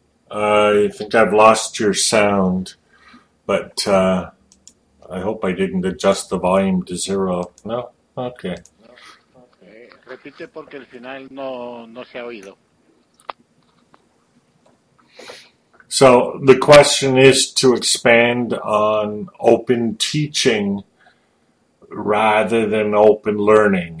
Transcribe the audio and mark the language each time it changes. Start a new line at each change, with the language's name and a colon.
English: I think I've lost your sound, but I hope I didn't adjust the volume to zero. No? Okay.
Spanish: Repite porque el final no se ha oído.
English: So the question is to expand on open teaching rather than open learning.